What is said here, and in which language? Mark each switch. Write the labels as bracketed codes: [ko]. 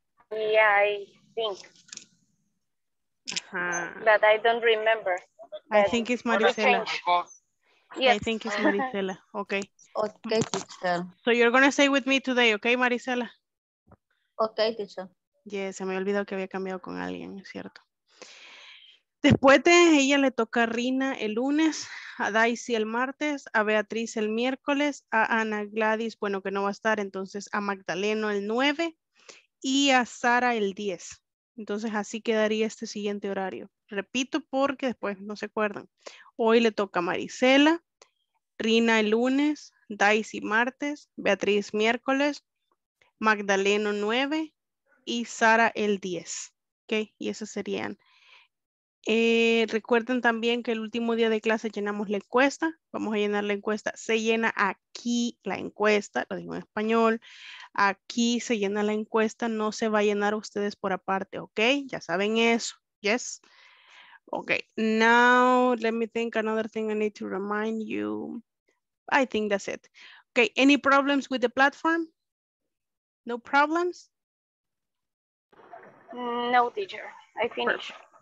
[en] Yeah, I think. Uh-huh. But I don't remember. I think it's Marisela. Yes. I think it's Marisela. Okay. Okay, teacher. So you're going to stay with me today, okay, Marisela? Okay, teacher. [es] Yes, se me olvidó que había cambiado con alguien, es cierto. Después de ella le toca a Rina el lunes, a Daisy el martes, a Beatriz el miércoles, a Ana Gladys, bueno, que no va a estar, entonces a Magdaleno el 9 y a Sara el 10. Entonces así quedaría este siguiente horario. Repito porque después no se acuerdan. Hoy le toca a Marisela, Rina el lunes, Daisy martes, Beatriz miércoles, Magdaleno 9 y Sara el 10. ¿Okay? Y esas serían. Recuerden también que el último día de clase llenamos la encuesta. Vamos a llenar la encuesta. Se llena aquí la encuesta, lo digo en español. Aquí se llena la encuesta, no se va a llenar ustedes por aparte, ¿ok? Ya saben eso, ¿yes? [en] Ok, now let me think another thing I need to remind you. I think that's it. Ok, any problems with the platform? No problems? No, teacher, I finished.